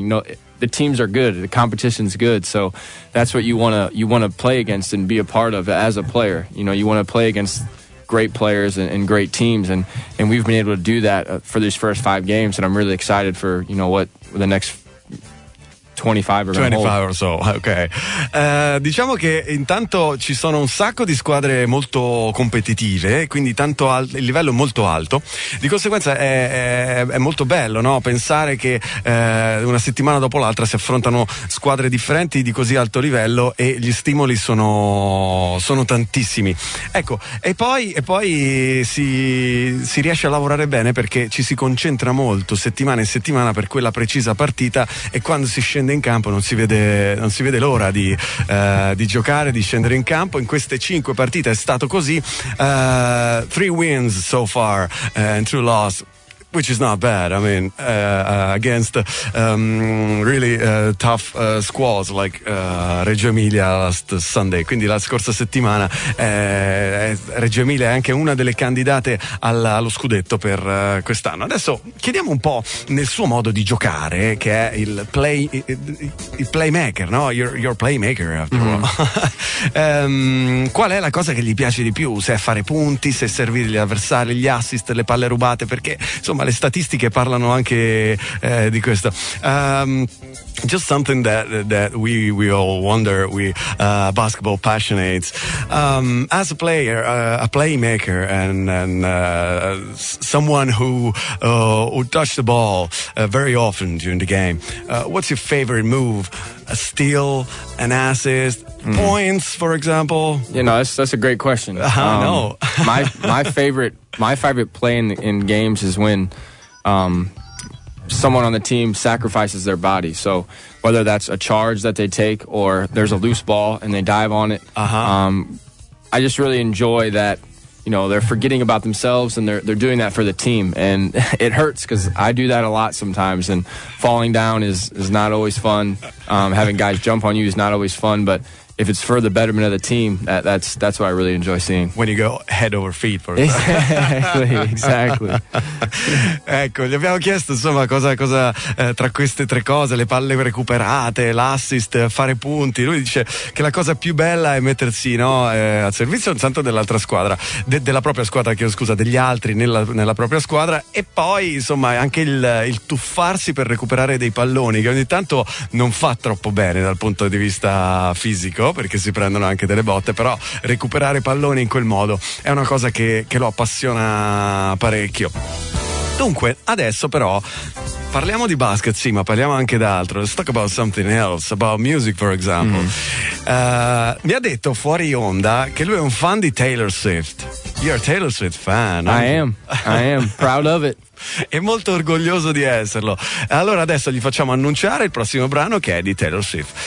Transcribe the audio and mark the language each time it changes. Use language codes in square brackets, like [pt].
[en] You know, the teams are good, the competition's good. So that's what you want to play against and be a part of as a player. You know, you want to play against great players and great teams, and we've been able to do that for these first five games, and I'm really excited for, you know, what the next 25 or so. Okay. [it] Diciamo che intanto ci sono un sacco di squadre molto competitive, quindi tanto il livello è molto alto. Di conseguenza è molto bello, no? Pensare che una settimana dopo l'altra si affrontano squadre differenti di così alto livello, e gli stimoli sono tantissimi. Ecco, e poi si riesce a lavorare bene, perché ci si concentra molto settimana in settimana per quella precisa partita, e quando si scende in campo non si vede l'ora di giocare, di scendere in campo. In queste cinque partite è stato così. [en] Three wins so far and two losses, which is not bad. I mean, against really tough squads like Reggio Emilia last Sunday. [it] Quindi la scorsa settimana Reggio Emilia è anche una delle candidate allo scudetto per quest'anno. Adesso chiediamo un po' nel suo modo di giocare, che è il playmaker, no? [en] Your playmaker, after all. [it] Qual è la cosa che gli piace di più? Se è fare punti, se è servire gli avversari, gli assist, le palle rubate, perché insomma le statistiche parlano anche di questo. [en] Just something that we all wonder, basketball passionates. As a player, a playmaker, and someone who touched the ball very often during the game, what's your favorite move? A steal, an assist, points, for example? You know, that's a great question. I know. my favorite play in games is when someone on the team sacrifices their body. So whether that's a charge that they take, or there's a loose ball and they dive on it. Uh-huh. I just really enjoy that, you know, they're forgetting about themselves and they're doing that for the team. And it hurts, because I do that a lot sometimes, and falling down is not always fun. Having guys jump on you is not always fun, but if it's for the betterment of the team, that's what I really enjoy seeing. When you go head over feet, for example. Exactly. [it] Ecco, gli abbiamo chiesto, insomma, cosa tra queste tre cose, le palle recuperate, l'assist, fare punti. Lui dice che la cosa più bella è mettersi, no, al servizio intanto dell'altra squadra, della propria squadra, degli altri nella propria squadra, e poi, insomma, anche il tuffarsi per recuperare dei palloni, che ogni tanto non fa troppo bene dal punto di vista fisico, perché si prendono anche delle botte, però recuperare palloni in quel modo è una cosa che lo appassiona parecchio. Dunque, adesso però parliamo di basket, sì, ma parliamo anche d'altro. [en] Let's talk about something else, about music, for example. [it] Mi ha detto fuori onda che lui è un fan di Taylor Swift. [en] You're a Taylor Swift fan. I am proud of it. [it] E molto orgoglioso di esserlo. Allora adesso gli facciamo annunciare il prossimo brano, che è di Taylor Swift.